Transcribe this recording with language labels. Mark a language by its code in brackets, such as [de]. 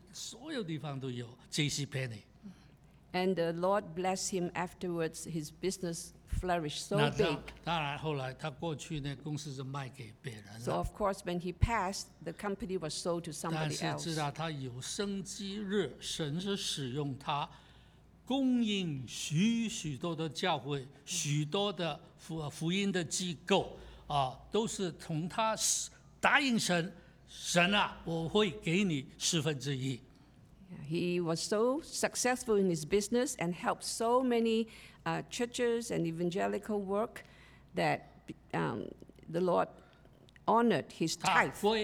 [zh] 感谢主，以后呢，他的生意再回来了。后来他死以前了，真是这个美国最大，差不多第二个最大的公司，所有地方都有 J.C. [en] Penney. And the Lord blessed him afterwards. His business. Flourished so big. [zh] 当然后来他过去呢，公司就卖给别人了。 [en] So of course, when he passed, the company was sold to somebody else. [zh] 但是知道他有生之日，神是使用他供应许许多的教会，许多的福音的机构，都是从他答应神，神啊，我会给你十分之一。 [en] He was so successful in his business and helped so many churches and evangelical work that the Lord honored his tithe.